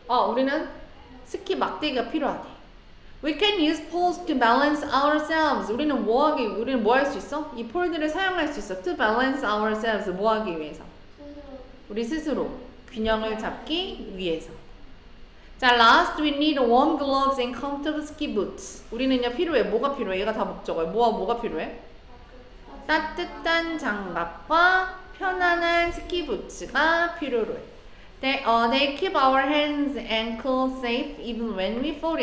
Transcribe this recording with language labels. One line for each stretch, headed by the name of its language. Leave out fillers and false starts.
Korean: 우리는 스키 막대기가 필요하대.
English: We can use poles to balance ourselves.
Korean: 우리는 뭐 하기, 우리는 뭐 할 수 있어? 이 폴들을 사용할 수 있어.
English: To balance ourselves.
Korean: 뭐 하기 위해서? 우리 스스로 균형을 잡기 위해서.
English: 자, last we need warm gloves and comfortable ski boots.
Korean: 우리는요 필요해. 뭐가 필요해? 얘가 다 목적어요. 뭐가 필요해? 따뜻한 장갑과 편안한 스키 부츠가 필요로 해.
English: They keep our hands and ankles safe even when we fall.